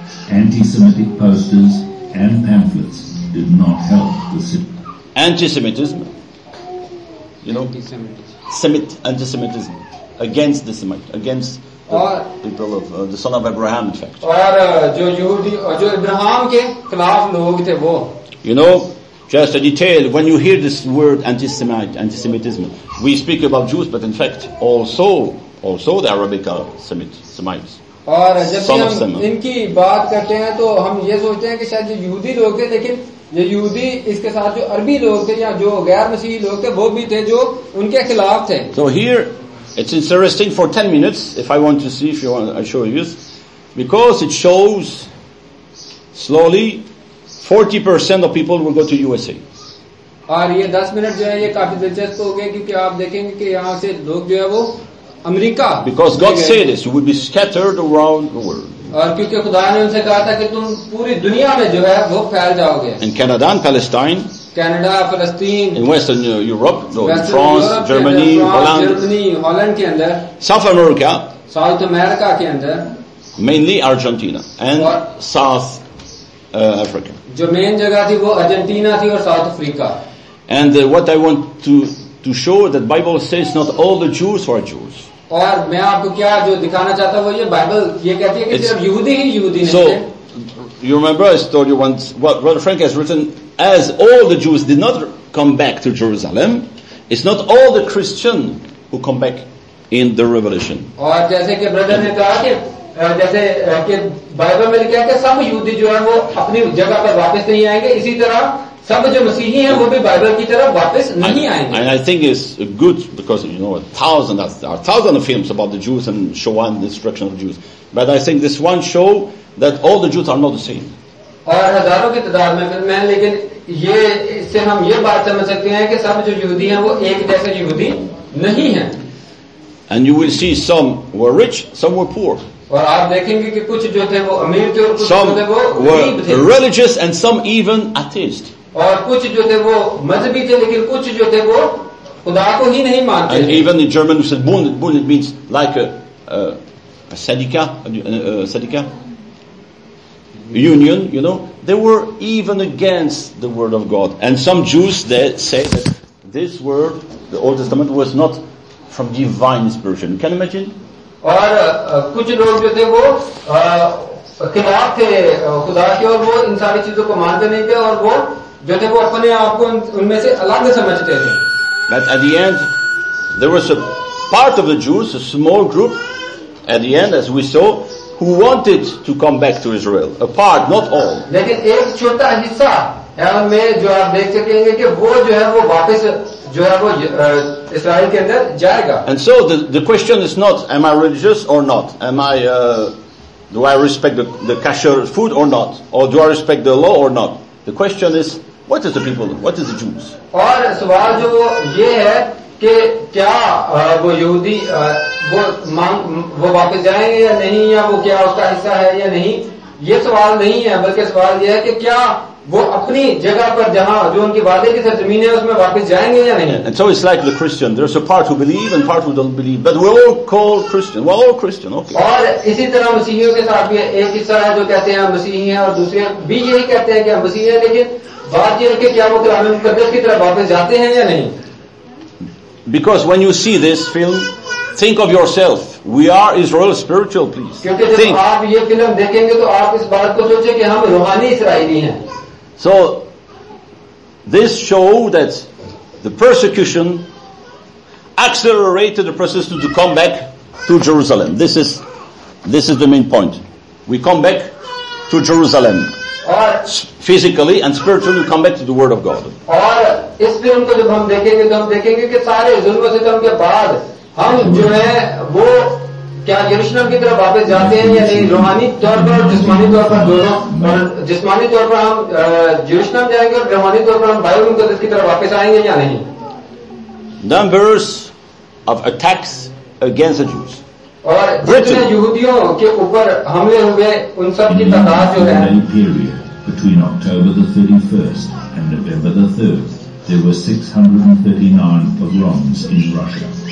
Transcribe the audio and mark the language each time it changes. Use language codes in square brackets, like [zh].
[en] Anti-Semitic posters and pamphlets did not help the situation. Anti-Semitism, you know, anti-Semitism against the Semite, against the people of the son of Abraham, in fact. [hi] और जो यहूदी और जो इब्राहिम के खिलाफ लोग थे वो. [en] You know, just a detail. When you hear this word anti-Semitism, we speak about Jews, but in fact also. Also, the Arabic Semites. [hi] और जब हम इनकी बात करते हैं तो हम ये सोचते हैं कि शायद ये यहूदी लोग थे, लेकिन ये यहूदी इसके साथ जो अरबी लोग थे या जो गैर मसीही लोग थे वो भी थे जो उनके खिलाफ थे. [en] So here, it's interesting for 10 minutes, if I want to see, if you want, I show you, because it shows slowly 40% of people will go to USA. [hi] और ये 10 मिनट जो है ये काफी दिलचस्प हो गए, क्योंकि आप देखेंगे कि यहाँ से लोग जो है वो America. [en] Because God said this, you will be scattered around the world. [hi] और क्योंकि खुदा ने उनसे कहा था कि तुम पूरी दुनिया में जो है वो फैल जाओगे. [en] In Canada and Palestine. Canada, Palestine. In Western Europe, France, Germany, Holland. [hi] Germany, Holland के अंदर. [en] South America. [hi] South America के अंदर. [en] Mainly Argentina and South Africa. [hi] जो मेन जगह थी वो अर्जेंटीना थी और south Africa. [en] And what I want to show that the Bible says not all the Jews are Jews. [hi] और मैं आपको क्या जो दिखाना चाहता हूँ वो ये बाइबल ये कहती है कि सिर्फ यहूदी ही यहूदी नहीं हैं. [en] So you remember I told you once what Brother Frank has written, as all the Jews did not come back to Jerusalem, it's not all the Christian who come back in the Revelation. [hi] और जैसे कि brother ने कहा कि जैसे कि Bible में लिखा है कि सब यहूदी जो हैं वो अपनी जगह पर वापस नहीं आएंगे, इसी तरह सब जो मसीही हैं वो भी बाइबल की तरफ वापस नहीं आएंगे. [en] And I think it's good because you know a thousand of films about the Jews and Shoah and the destruction of Jews. But I think this one show that all the Jews are not the same. [hi] और हजारों की तादाद में film है, लेकिन ये इससे हम ये बात समझ सकते हैं कि सब जो यहूदी हैं वो एक जैसे यहूदी नहीं हैं. [en] And you will see some were rich, some were poor. [hi] और आप देखेंगे कि कुछ जो थे वो अमीर थे और कुछ जो थे वो गरीब थे. [en] Religious and some even atheist. [hi] और कुछ जो थे वो मजहबी थे, लेकिन कुछ जो थे वो खुदा को ही नहीं मानते. [en] And even in German we said Bund, it means like a sadika, sadika union, you know. They were even against the word of God. And some Jews they say that this word, the Old Testament, was not from divine inspiration. Can you imagine? [hi] और कुछ लोग जो थे वो किताब थे खुदा के, और वो इन सारी चीजों को मानते नहीं थे, और वो जो थे वो अपने आप को उनमें से अलग समझते थे. [en] But at the end, there was a part of the Jews, a small group, at the end, as we saw, who wanted to come back to Israel, a part, not all. [hi] लेकिन एक छोटा हिस्सा में जो आप देख सकेंगे कि वो जो है वो वापस जो है वो इस्राएल के अंदर जाएगा. [en] And so the question is not, am I religious or not? Am I do I respect the kosher food or not? Or do I respect the law or not? The question is, what is the people? What is the Jews? [hi] और सवाल जो ये है कि क्या वो यहूदी वो वापस जाएंगे या नहीं, या वो क्या उसका हिस्सा है या नहीं, ये सवाल नहीं है. बल्कि सवाल ये है कि क्या वो अपनी जगह पर जहां जो उनके वादे की जमीन है उसमें वापस जाएंगे या नहीं. [en] And so it's like the Christian. There's a part who believe and part who don't believe. But we're all called Christian. We're all Christian. Okay. [hi] और इसी तरह मसीहियों के साथ भी एक हिस्सा है जो कहते हैं हम मसीही हैं, और दूसरे भी यही कहते हैं कि हम मसीही हैं, लेकिन बात यह है कि क्या वो कलाम मुकद्दस की तरफ वापस जाते हैं या नहीं. [en] Because when you see this film, think of yourself. We are Israel spiritual, please. Think. [hi] आप ये फिल्म देखेंगे तो आप इस बात को सोचें कि हम रूहानी इसराइली हैं. [en] So this show that the persecution accelerated the process to come back to Jerusalem. This is the main point. We come back to Jerusalem. Physically and spiritually come back to the word of God. [hi] और इस film को जब हम देखेंगे तो हम देखेंगे कि सारे जुल्म सितम के बाद हम जो है वो क्या यरूशलेम की तरफ वापस जाते हैं या नहीं. रूहानी तौर पर और जिस्मानी तौर पर दोनों, और जिस्मानी तौर पर हम यरूशलेम जाएंगे और रूहानी तौर पर हम बाइबल मुकद्दस की तरफ वापस आएंगे या नहीं. [en] Numbers of attacks against the Jews. [hi] और जितने यहूदियों के ऊपर हमले हुए उन सब की तादाद जो है. [en] Between October the 31st and November the 3rd, there were 639 pogroms in Russia.